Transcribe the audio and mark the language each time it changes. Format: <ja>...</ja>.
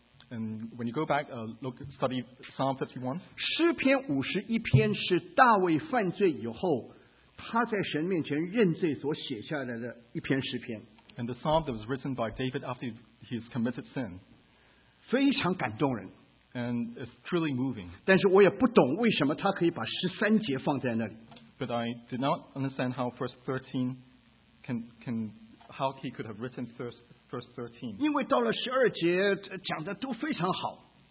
<en>and when you go back, look, study Psalm 51.</en> <zh>诗篇51篇是大卫犯罪以后, 他在神面前认罪所写下来的一篇诗篇。</zh> <en>And the psalm that was written by David after he has committed sin.</en> <zh>非常感动人,</zh> <en>and it's truly moving.</en> <zh>但是我也不懂为什么他可以把13节放在那里,</zh> <en>but I did not understand how verse 13 can how he could have written verse 13.</en> <zh>因为到了12节, 讲得都非常好,</zh>